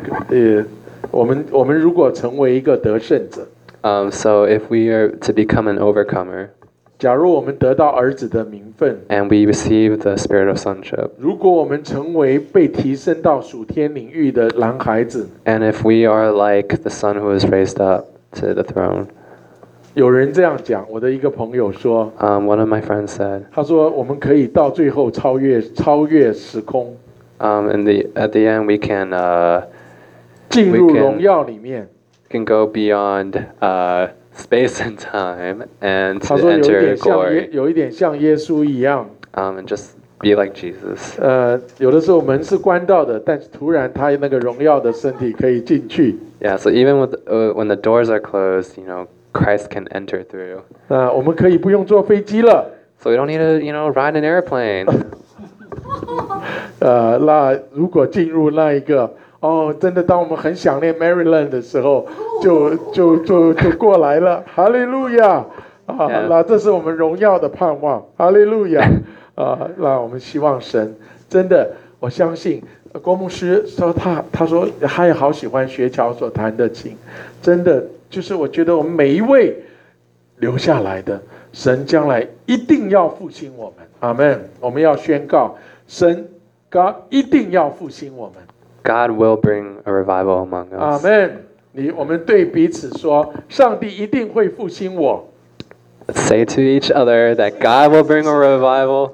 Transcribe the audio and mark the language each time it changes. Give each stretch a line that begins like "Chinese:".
Chinese: Yeah, 我们如果成为一个得胜者，
English: So if we are to become an overcomer.
Chinese: 假如我们得到儿子的名分
English: ，and we receive the spirit of sonship，
Chinese: 如果我们成为被提升到属天领域的男孩子
English: ，and if we are like the son who was raised up to the throne，
Chinese: 有人这样讲，我的一个朋友说
English: ，one of my friends said，
Chinese: 他说我们可以到最后超越时空
English: ，at the end we can
Chinese: 进入荣耀里面
English: ，can go beyond space and time and to enter glory.
Chinese: 他说有一点像耶稣一样。
English: And just be like Jesus.
Chinese: 有的时候门是关到的，但是突然他那个荣耀的身体可以进去。
English: Yeah, so even when the doors are closed, you know, Christ can enter through.
Chinese: 我们可以不用坐飞机了。
English: So we don't need to, you know, ride an airplane.
Chinese: 那如果进入那一个。真的，当我们很想念 Maryland 的时候，就过来了。哈利路亚！那这是我们荣耀的盼望。哈利路亚！那我们希望神真的，我相信郭牧师说他说他也好喜欢学桥所弹的琴，真的就是我觉得我们每一位留下来的神将来一定要复兴我们。阿门！我们要宣告神。 God 一定要复兴我们。
English: God will bring a revival among us. Amen.
Chinese: 我们对彼此说，上帝一定会复兴我。
English: Say to each other that God will bring a revival.